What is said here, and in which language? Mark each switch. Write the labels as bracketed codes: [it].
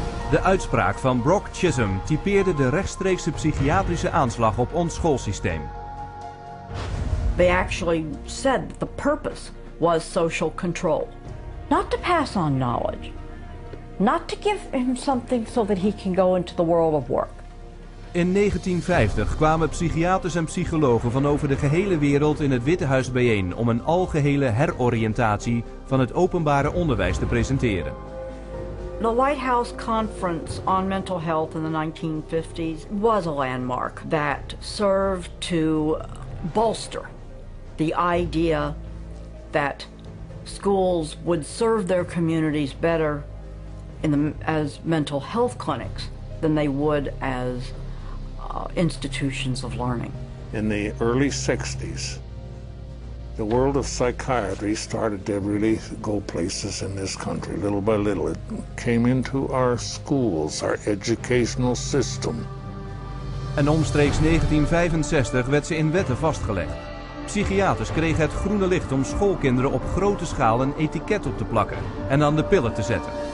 [nl] De uitspraak van Brock Chisholm typeerde de rechtstreekse psychiatrische aanslag op ons schoolsysteem. [en] They actually said that the purpose was social control. Not to pass on knowledge. Not to give him something so that he can go into the world of work. [nl] In 1950 kwamen psychiaters en psychologen van over de gehele wereld in het Witte Huis bijeen om een algehele heroriëntatie van het openbare onderwijs te presenteren. [en] The White House Conference on Mental Health in the 1950s was a landmark that served to bolster the idea that schools would serve their communities better as mental health clinics than they would as institutions of learning. In the early 60s, the world of psychiatry started to really go places in this country, little by little. It came into our schools, our educational system. [nl] En omstreeks 1965 werd ze in wetten vastgelegd. Psychiaters kregen het groene licht om schoolkinderen op grote schaal een etiket op te plakken en aan de pillen te zetten.